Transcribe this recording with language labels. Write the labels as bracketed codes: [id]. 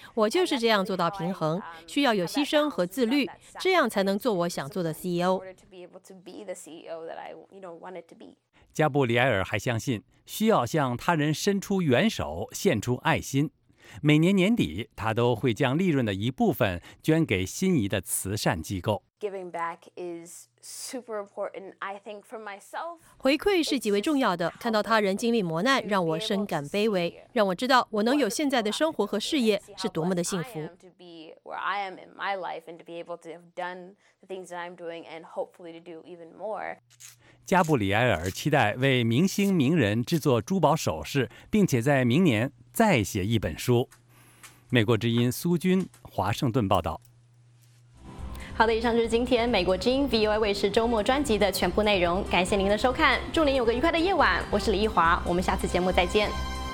[zh] 我就是这样做到平衡，需要有牺牲和自律，这样才能做我想做的 CEO。加布里埃尔还相信需要向他人伸出援手、献出爱心，每年年底，他都会将利润的一部分捐给心仪的慈善机构。 [en] Giving back is super important, I think, for myself. [zh] 回馈是极为重要的。看到他人经历磨难，让我深感卑微，让我知道我能有现在的生活和事业是多么的幸福。 [en] Where I am in my life and to be able to have done the things that I'm doing and hopefully to do even more. [zh] 加布里埃尔期待为明星名人制作珠宝首饰，并且在明年再写一本书。美国之音苏军华盛顿报道。好的，以上就是今天美国之音 VOA 卫视周末专辑的全部内容，感谢您的收看，祝您有个愉快的夜晚，我是李一华，我们下次节目再见。